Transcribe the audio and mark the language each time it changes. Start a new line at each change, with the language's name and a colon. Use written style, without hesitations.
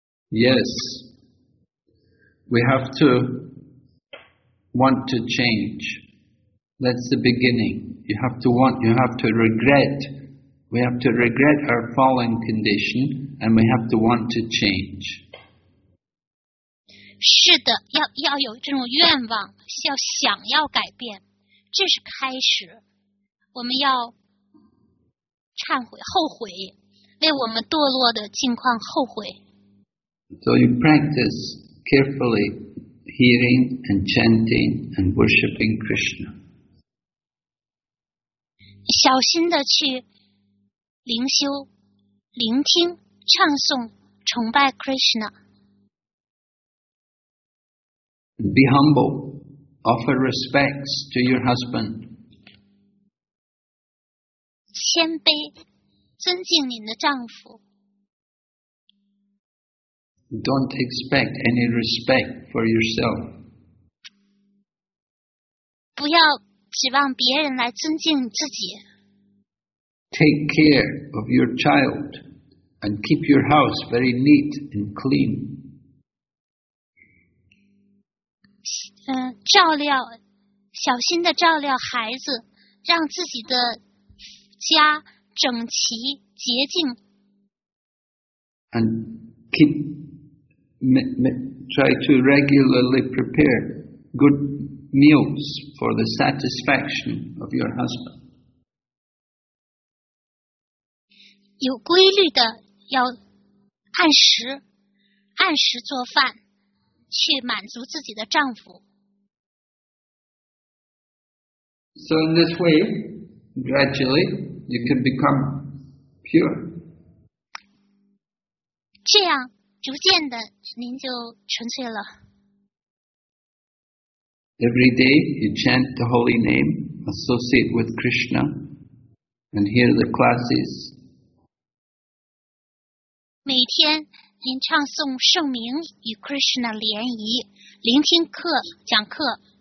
English: Yes. We have to want to change. That's the beginning. You have to want, you have to regret. We have to regret our fallen condition and we have to want to change.
Chinese: 是的，要有这种愿望，要想要改变，这是开始。我们要忏悔，后悔，为我们堕落的境况后悔。
English: So you practice carefully hearing and chanting and worshipping Krishna.
Chinese: 小心的去灵修、聆听、唱诵、崇拜 Krishna。
English: Be humble. Offer respects to your husband.
Chinese: 谦卑，尊敬您的丈夫。
English: Don't expect any respect for yourself.
Chinese: 不要指望别人来尊敬自己。
English: Take care of your child and keep your house very neat and clean.
Chinese: 照料，小心地照料孩子，让自己的家整齐洁净。
English: And keep try to regularly prepare good meals for the satisfaction of your husband.
Chinese: 有规律的要按时做饭，去满足自己的丈夫。
English: So in this way, gradually, you can become pure.
Chinese: 这样逐渐的您就纯粹了。
English: Every day you chant the holy name, associate with Krishna, and hear the classes.
Chinese: 每天您唱诵圣名与 Krishna 联谊，聆听课，讲课。